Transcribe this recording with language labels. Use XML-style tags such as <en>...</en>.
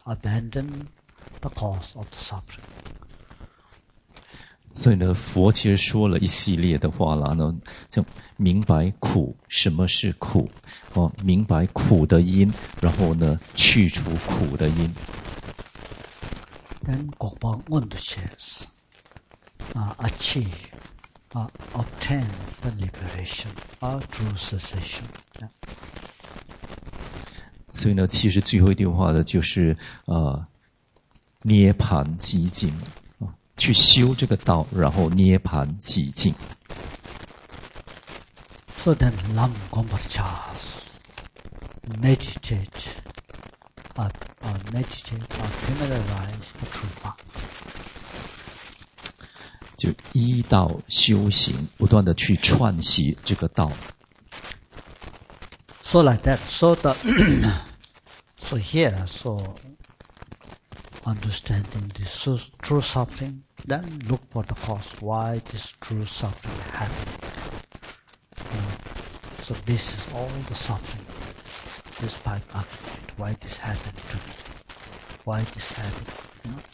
<en>Abandoned the cause of the suffering.</en> <zh>所以呢佛其实说了一系列的话啦，呢就明白苦什么是苦、哦、明白苦的因，然后呢去除苦的因。</zh> <en>Then Gopal Mundu says, achieve, obtain the liberation, true cessation.</en> <zh>所以呢其实最后一句话呢就是涅槃寂静。去修这个道，然后涅槃寂静。</zh> <en>For them, Lam Gombarchas meditate, meditate, or familiarize the true path.</en> <zh>就依道修行，不断的去串习这个道。</zh> <en>So like that, so the, so here, so understanding this true suffering, then look for the cause, why this true suffering happened. So this is all the suffering, this five aggregate, why this happened to me, why this happened.</en>